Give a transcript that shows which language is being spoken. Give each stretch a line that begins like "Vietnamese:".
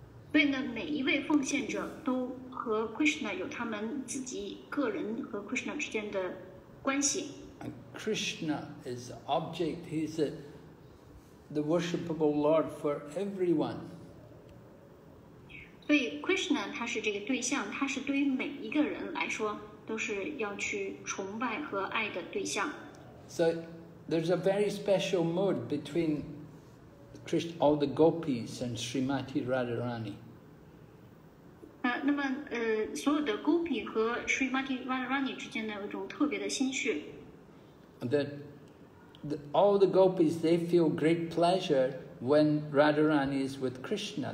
Chinese: 所以呢，每一位奉献者都和 Krishna 有他们自己个人和 Krishna 之间的关系。
English: And Krishna is the object; he's the worshipable Lord for everyone.
Chinese: 所以 Krishna 他是这个对象，他是对于每一个人来说都是要去崇拜和爱的对象。
English: So there's a very special mood between all the gopis and Srimati Radharani.
Chinese: 那么所有的 gopi 和 Srimati Radharani 之间呢有一种特别的心绪。
English: That all the gopis, they feel great pleasure when Radharani is with Krishna.